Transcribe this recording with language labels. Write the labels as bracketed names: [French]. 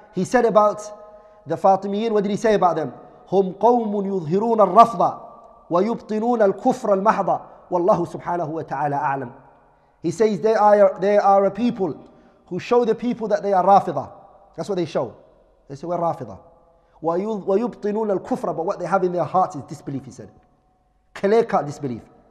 [English] He said about the Fatimiyin, what did he say about them? [Arabic] هم قوم يظهرون الرفض ويبطنون الكفر المحض والله سبحانه وتعالى أعلم. [English] He says they are a people who show the people that they are Rafida. That's what they show. They say we're Rafida. [Arabic] ويبطنون الكفر, [English] but what they have in their hearts is disbelief, he said. Clear-cut disbelief.